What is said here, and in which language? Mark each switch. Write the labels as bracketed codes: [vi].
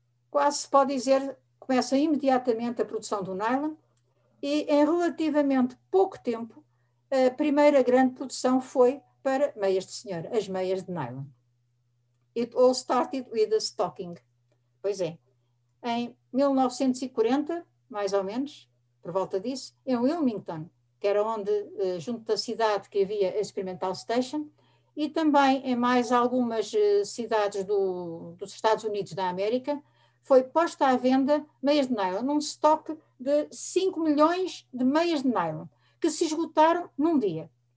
[pt] Quase se pode dizer, começa imediatamente a produção do nylon e em relativamente pouco tempo a primeira grande produção foi para meias de senhora, as meias de nylon. [en] It all started with a stocking. [pt] Pois é, em 1940, mais ou menos, por volta disso, em Wilmington, que era onde, junto da cidade que havia a Experimental Station, e também em mais algumas cidades dos Estados Unidos da América, foi posta à venda meias de nylon, num estoque de 5 milhões de meias de nylon, que se esgotaram num dia.